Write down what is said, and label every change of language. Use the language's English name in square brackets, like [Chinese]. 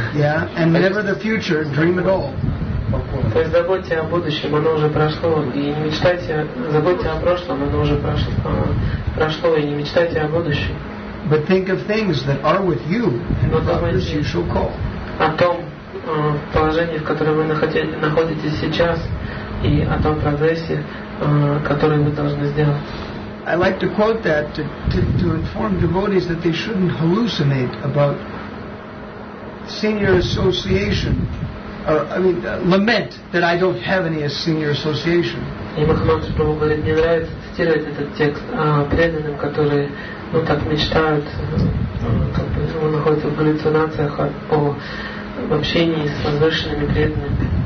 [English] Yeah, and never the future, dream at all. [Russian] То есть забудьте о будущем, оно уже прошло, и не мечтайте, забудьте о прошлом, оно уже прошло, и не мечтайте о будущем. [English] But think of things that are with you, and progress you shall call. [Russian] О том положении, в котором вы находитесь сейчас, и о том прогрессе, который вы должны сделать. [English] I like to quote that to inform devotees that they shouldn't hallucinate about senior association, or I mean, lament that I don't have any senior association. [Russian] И Махамадж Прабху говорит, не нравится цитировать этот текст преданным, которые ну так мечтают, как бы он находится в галлюцинациях о общении с возвышенными преданными.